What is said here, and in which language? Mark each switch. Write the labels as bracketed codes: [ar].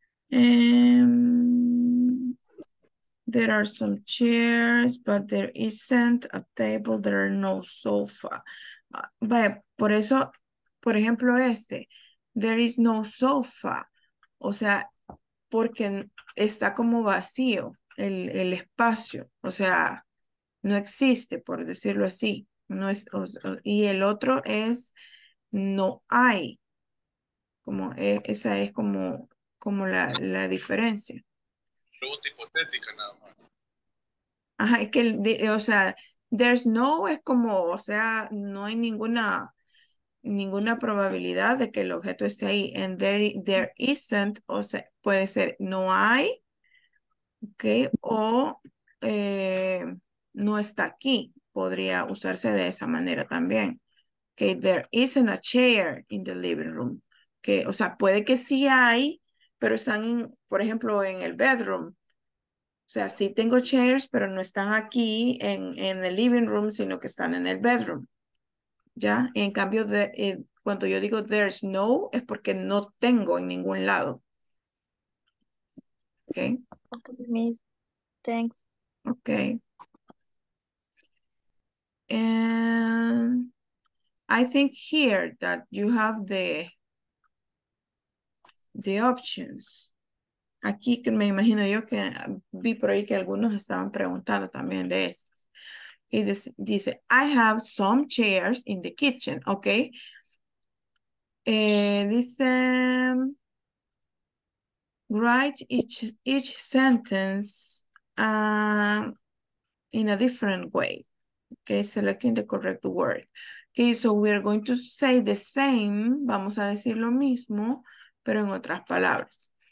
[en] there are some chairs, but there isn't a table, there are no sofa. [es] Vaya, por eso, por ejemplo, este, [en] there is no sofa, [es] o sea, porque está como vacío el espacio, o sea, no existe, por decirlo así, no es, y el otro es no hay, como esa es como la diferencia. Pregunta hipotética nada más. Ajá, es que, o sea, [en] there's no [es] es como, o sea, no hay ninguna probabilidad de que el objeto esté ahí. [en] And there isn't, [es] o sea, puede ser no hay, ok, o no está aquí. Podría usarse de esa manera también. [en] Ok, there isn't a chair in the living room. [es] Ok, o sea, puede que sí hay, pero están, por ejemplo, en el bedroom. O sea, sí tengo chairs, pero no están aquí en el living room, sino que están en el bedroom. ¿Ya? En cambio, cuando yo digo [en] there's no, [es] es porque no tengo en ningún lado. ¿Ok? [en] Thanks. Ok. And I think here that you have the options. [es] Aquí que me imagino yo que vi por ahí que algunos estaban preguntando también de estas. Y dice, [en] I have some chairs in the kitchen. Ok. Dice, write each sentence in a different way. Ok, selecting the correct word. Ok, so we are going to say the same. [es] Vamos a decir lo mismo, pero en otras palabras.